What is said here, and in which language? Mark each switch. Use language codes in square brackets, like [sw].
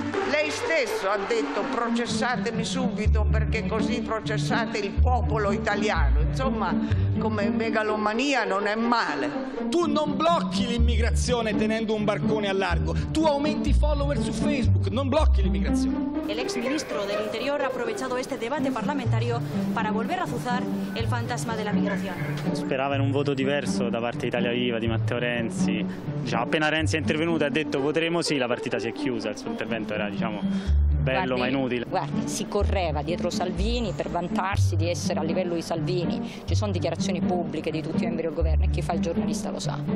[it] Lei stesso ha detto processatemi subito perché così processate il popolo italiano. Insomma, come megalomania non è male. Tu non blocchi l'immigrazione tenendo un barcone a largo. Tu aumenti i follower su Facebook, non blocchi l'immigrazione. [es] El ex ministro del Interior ha aprovechado este debate parlamentario para volver a azuzar el fantasma de la migración. [it] Speraba en un voto diverso da parte Italia Viva di Matteo Renzi. Diciamo, appena Renzi è intervenuto ha detto voteremo sì, la partita si è chiusa, il suo intervento era, diciamo, bello, guardi, ma inutile. Guardi, si correva dietro Salvini per vantarsi di essere a livello di Salvini. Ci sono dichiarazioni pubbliche di tutti i membri del governo e chi fa il giornalista lo sa.